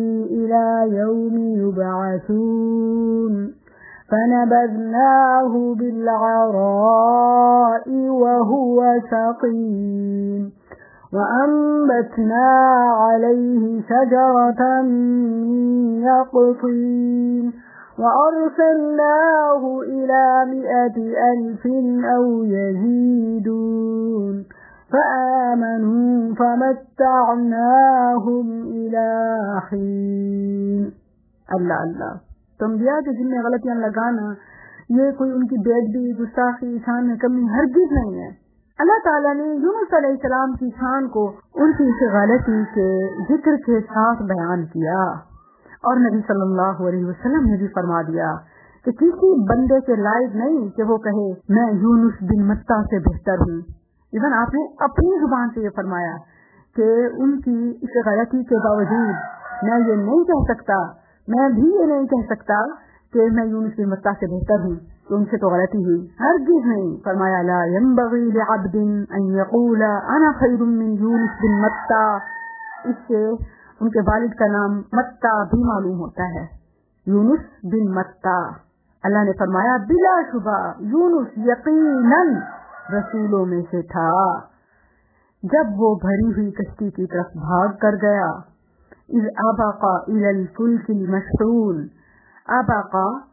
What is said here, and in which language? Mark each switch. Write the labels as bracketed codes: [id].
[ar] إلى يوم يبعثون فنبذناه بالعراء وهو سقيم وأنبتنا عليه شجرة من يقطين وأرسلناه إلى 100,000 أو يزيدون فآمنوا فمتعناهم إلى حين. [ur] الله الله, تم بیا کے جن میں غلطیاں لگانا یہ کوئی ان کی بے ادبی, گستاخی, شان میں کمی ہرگز نہیں ہے. اللہ تعالیٰ نے یونس علیہ السلام کی شان کو ان کی اس غلطی کے ذکر کے ساتھ بیان کیا, اور نبی صلی اللہ علیہ وسلم نے بھی فرما دیا کہ کسی بندے کے لائق نہیں کہ وہ کہے میں یونس بن متا سے بہتر ہوں. ایون آپ نے اپنی زبان سے یہ فرمایا کہ ان کی اس غلطی کے باوجود میں یہ نہیں کہہ سکتا, میں بھی یہ نہیں کہہ سکتا کہ میں یونس بن متا سے بہتر ہوں, ان سے تو غلطی ہوئی. ہرگز نہیں. [ar] فرمایا, لا ينبغي لعبد ان يقول انا خير من يونس بن متى. [ur] اس سے ان کے والد کا نام متى بھی معلوم ہوتا ہے, یونس بن متى. اللہ نے فرمایا, بلا شبہ یونس یقینا رسولوں میں سے تھا. جب وہ بھری ہوئی کشتی کی طرف بھاگ کر گیا, [ar] اذ ابقى الى الفلك المشحون. ابقى